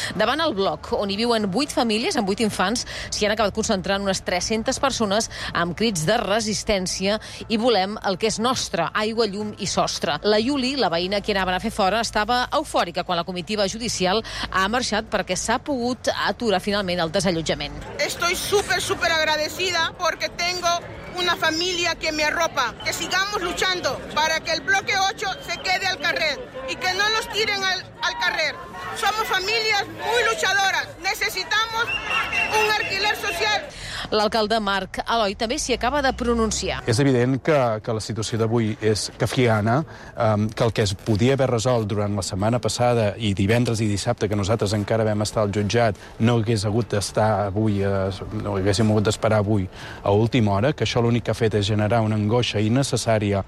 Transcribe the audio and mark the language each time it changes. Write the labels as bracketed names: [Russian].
[Catalan] Davant el bloc, on hi viuen 8 famílies amb 8 infants, s'hi han acabat concentrant unes 300 persones amb crits de resistència i volem el que és nostre, aigua, llum i sostre. La Yuli, la veïna que anaven a fer fora, estava eufòrica quan la comitiva judicial ha marxat perquè s'ha pogut aturar finalment el desallotjament. [Spanish] Estoy súper, súper agradecida porque tengo una familia que me arropa. Que sigamos luchando para que el bloque 8 se quede al carrer y que no nos tiren al carrer. Somos familias muy luchadoras. Necesitamos un alquiler social. [Catalan] L'alcalde Marc Aloy també s'hi acaba de pronunciar. És evident que la situació d'avui és kafkiana, que el que es podia haver resolt durant la setmana passada i divendres i dissabte, que nosaltres encara vam estar al jutjat, no hagués hagut d'estar avui, no haguéssim hagut d'esperar avui a última hora, que això l'únic que ha fet és generar una angoixa innecessària.